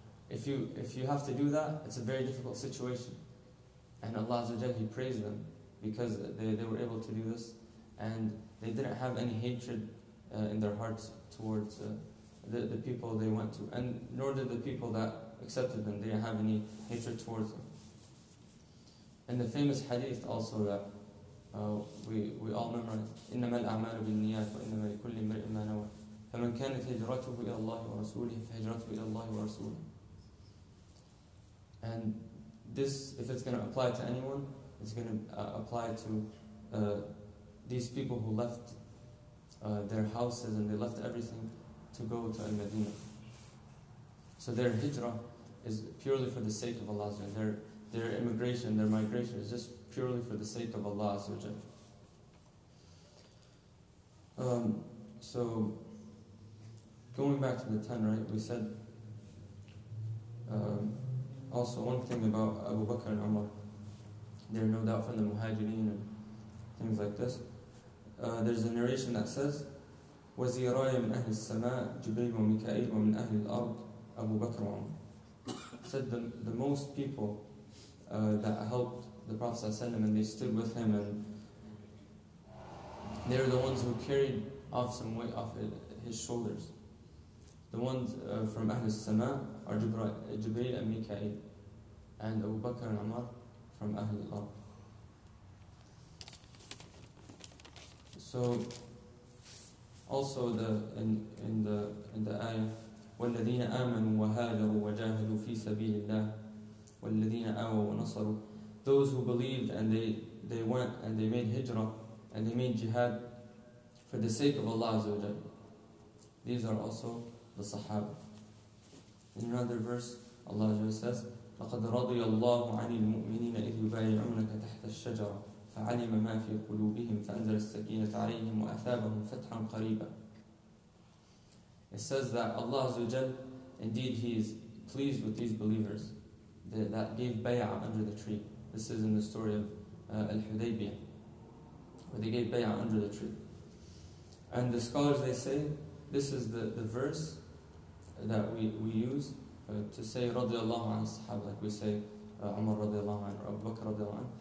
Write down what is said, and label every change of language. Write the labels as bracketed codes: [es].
[en] If you have to do that, it's a very difficult situation. And Allah Azza wa Jalla, He praised them because they were able to do this, and they didn't have any hatred in their hearts towards the people they went to, and nor did the people that accepted them. They didn't have any hatred towards them. And the famous hadith also that we all memorize: [ar] إِنَّمَا الْأَعْمَالُ بِالنِّيَّاتِ وَإِنَّمَا لِكُلِّ امْرِئٍ مَا نَوَى فَمَنْ كَانَتْ هِجْرَتُهُ إِلَى اللَّهِ وَرَسُولِهِ فَهِجْرَتُهُ إِلَى اللَّهِ وَرَسُولِهِ. [en] And this, if it's going to apply to anyone, it's going to apply to these people who left their houses and they left everything to go to Al-Madinah. So their hijrah is purely for the sake of Allah. Their immigration, their migration is just purely for the sake of Allah. So going back to the 10, right, we said also one thing about Abu Bakr and Umar. They're no doubt from the Muhajirin and things like this. There's a narration that says, [ar] وَزِيرَايَ مِنْ أَهْلِ السَّمَاءِ جِبْرِيلُ وَمِكَائِيلُ وَمِنْ أَهْلِ الْأَرْضِ أَبُو بَكْرُ وَعُمَرُ. [en] Said the most people that helped the Prophet ﷺ, and they stood with him, and they were the ones who carried off some weight off his shoulders. The ones from [ar] أَهْلِ السَّمَاءِ [en] are Jibreel and Mikael, and Abu Bakr and Umar from [ar] أَهْلِ الْأَرْضِ. [en] So also in the ayah, [ar] والذين آمنوا وهاجروا وجاهدوا في سبيل الله والذين آووا ونصروا, [en] those who believed and they went and they made hijrah and they made jihad for the sake of Allah Azza wa Jalla, these are also the sahaba. In another verse, Allah Azza wa Jalla says, [ar] لقد رضي الله عن المؤمنين إذ يبايعونك تحت الشجرة فعلم ما في قلوبهم فأنزل السكينة عليهم وأثابهم فتحا قريبا. [en] It says that Allah Azza wa Jalla, indeed He is pleased with these believers that gave bay'ah under the tree. This is in the story of Al-Hudaybiyah, where they gave bay'ah under the tree. And the scholars, they say, this is the verse that we use to say radiyallahu anhu sahab, like we say Umar radiyallahu anhu or Abu Bakr radiyallahu anhu.